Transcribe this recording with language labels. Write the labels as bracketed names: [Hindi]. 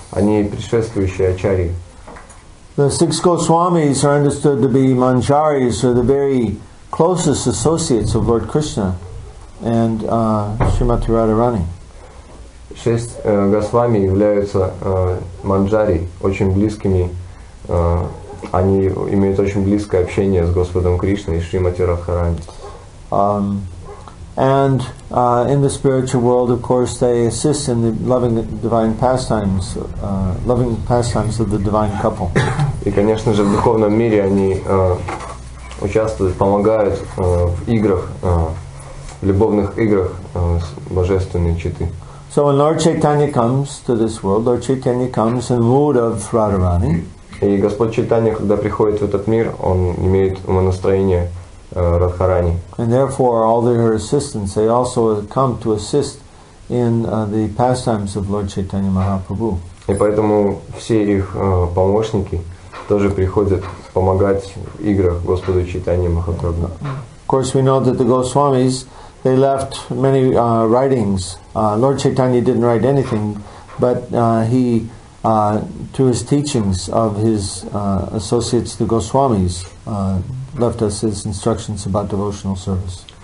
[Russian] Они предшествующие ачарьи. [English] The six Goswamis are understood to be Manjaris, or the very closest associates of Lord Krishna and Shrimati Radharani. [Russian] Шесть Госвами являются Манджари, очень близкими. Они имеют очень близкое общение с Господом Кришной и Шримати Радхарани. [English] And in the spiritual world, of course, they assist in the loving divine pastimes, loving pastimes of the divine couple. [Russian] И, конечно же, в духовном мире они участвуют, помогают в играх, в любовных играх с божественной читы. [English] So when Lord Chaitanya comes to this world, Lord Chaitanya comes in the mood of Radharani. [Russian] И Господь Чайтанья, когда приходит в этот мир, он имеет умонастроение Радхарани. [English] And therefore, all their assistants, they also come to assist in the pastimes of Lord Chaitanya Mahaprabhu. [Russian] И поэтому все их помощники тоже приходят помогать в играх Господу Чайтанья Махапрабху. [English] Of course, we know that the Goswamis, they left many writings. Lord Chaitanya didn't write anything, but he to his teachings of his associates, the Goswamis, left us his instructions about devotional service.